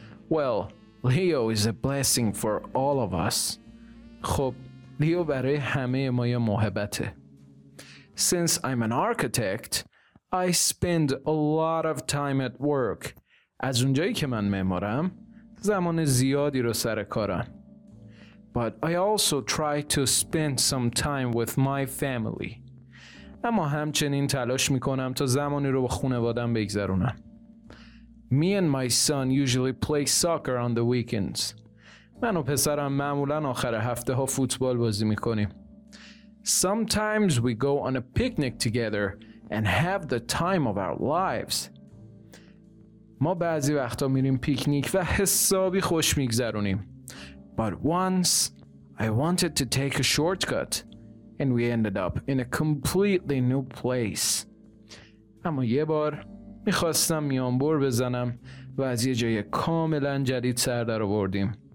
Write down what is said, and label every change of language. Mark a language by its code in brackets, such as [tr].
[en] Well, Leo is a blessing for all of us. [fa] خب، لیو برای همه ما یه محبته. [en] Since I'm an architect, I spend a lot of time at work. [fa] از اونجایی که من معمارم، زمان زیادی رو سر کارم. [en] But I also try to spend some time with my family. [fa] اما همچنین تلاش میکنم تا زمانی رو با خانوادم بگذرونم. [en] Me and my son usually play soccer on the weekends. [fa] من و پسرم معمولا آخر هفته ها فوتبال بازی میکنیم. [en] Sometimes we go on a picnic together and have the time of our lives. [fa] ما بعضی وقتا میریم پیکنیک و حسابی خوش میگذرونیم. [en] But once I wanted to take a shortcut. And we ended up in a completely new place. [fa] اما یه بار میخواستم میانبر بزنم و از یه جای کاملا جدید سر در آوردیم.